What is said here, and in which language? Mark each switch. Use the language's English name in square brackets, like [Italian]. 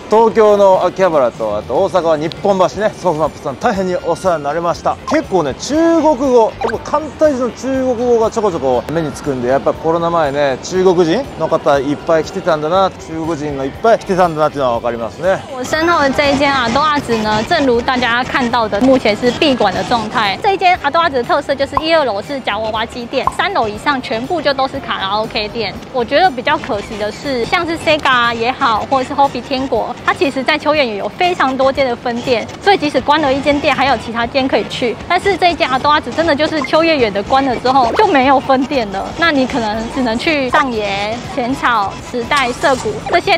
[Japanese] 東京の秋葉原と、あと大阪は日本橋ね、ソフマップさん大変にお世話になりました。結構ね、中国語、結構簡体字の中国語がちょこちょこ目につくんで、やっぱコロナ前ね、中国人の方いっぱい来てたんだな、中国人いっぱい来てたんだなっていうのは分かりますね。 [Chinese] 我身后的这一间阿多阿子呢，正如大家看到的，目前是闭馆的状态。这一间阿多阿子的特色就是一二楼是夹娃娃机店，三楼以上全部就都是卡拉 OK 店。我觉得比较可惜的是，像是 Sega 也好，或者是 Hobby 天国，它其实在秋葉原有非常多间的分店，所以即使关了一间店，还有其他间可以去。但是这一间阿多阿子真的就是秋葉原的关了之后就没有分店了，那你可能只能去上野、浅草、池袋、涩谷这些。